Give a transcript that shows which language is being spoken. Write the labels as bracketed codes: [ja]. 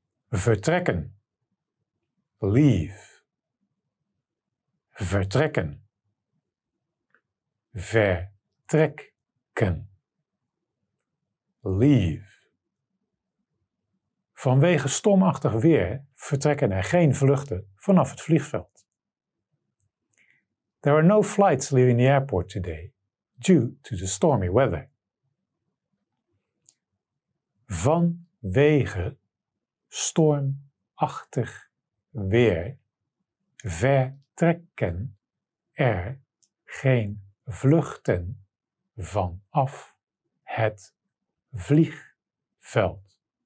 [nl] Vertrekken. Leave. Vertrekken. Vertrekken. Leave. Vanwege stormachtig weer vertrekken er geen vluchten vanaf het vliegveld. [en] There are no flights leaving the airport today due to the stormy weather. [nl] Vanwege stormachtig weer vertrekken er geen vluchten vanaf het vliegveld.